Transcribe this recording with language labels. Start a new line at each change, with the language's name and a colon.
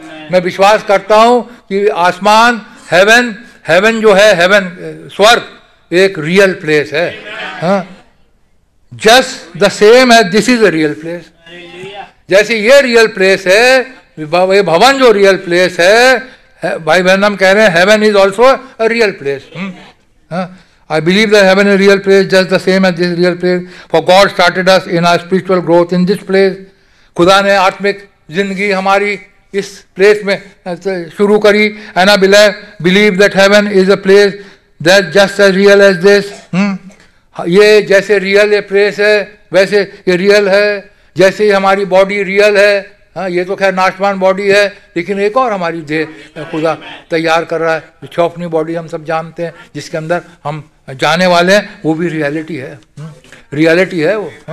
Hindi: मैं विश्वास करता हूँ कि आसमान, हेवन, हेवन जो है, हेवन स्वर्ग एक रियल प्लेस है।
English: Just the same है this is a real place.
Hindi: जैसे ये रियल प्लेस है, ये भवन जो रियल प्लेस है, भाई बहन हम कह रहे हैं
English: Heaven is also a real place. I believe that heaven is a real place, just the same as this real place. For God started us in our spiritual growth in this place.
Hindi: खुदा ने आत्मिक जिंदगी हमारी इस place में शुरू करी।
English: And I believe that heaven is a place that just as real as this.
Hindi: ये जैसे real ये place है, वैसे ये real है। जैसे हमारी body real है, हाँ ये तो खैर नाशवान बॉडी है, लेकिन एक और हमारी देह खुदा तैयार कर रहा है। छह अपनी बॉडी हम सब जानते हैं, जिसके अंदर हम जाने वाले हैं, वो भी रियलिटी है, रियलिटी है वो।